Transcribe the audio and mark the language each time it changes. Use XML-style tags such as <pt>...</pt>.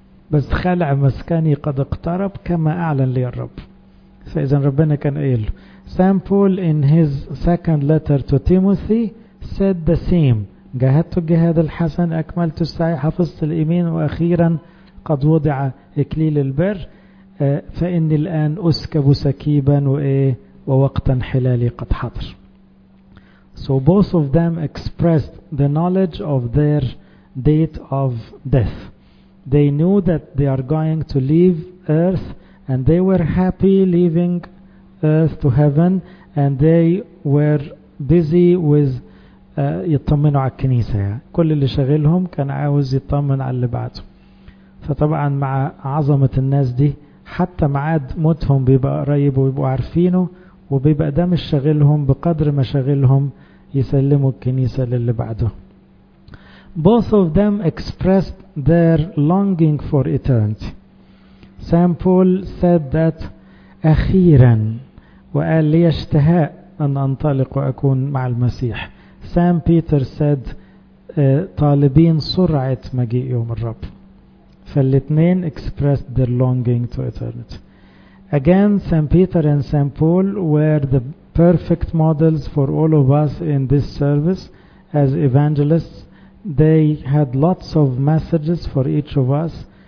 <ar>بس خلع مسكني قد اقترب كما أعلن لي الرب. فإذا ربنا كان قيل.</ar> <en>Saint Paul in his second letter to Timothy said the same.</en> <ar>جهدت الجهاد الحسن، أكملت السعي، حفظت الإيمان، وأخيرا قد وضع إكليل البر، فإني الآن أسكب سكيبا وإيه ووقت حلالي قد حضر.</ar> <en>So both of them expressed the knowledge of their date of death. They knew that they are going to leave earth, and they were happy leaving earth to heaven, and they were busy with</en> <ar>يطمنوا على الكنيسة. كل اللي شغلهم كان عاوز يطمن على اللي بعده. فطبعا مع عظمة الناس دي حتى معاد موتهم بيبقى قريب ويبقوا عارفينه، وبيبقى ده مش شغلهم بقدر ما شغلهم يسلموا الكنيسة للي بعده.</ar> <en>Both of them expressed their longing for eternity. St. Paul said that</en> <ar>أخيرا، وقال لي اشتهاء أن أنطلق وأكون مع المسيح.</ar> <en>St. Peter said</en> <ar>طالبين سرعة مجيء يوم الرب. فالاثنين</ar> <en>expressed their longing to eternity. Again, St. Peter and St. Paul were the perfect models for all of us in this service as evangelists. They had lots of messages for each of us.</en>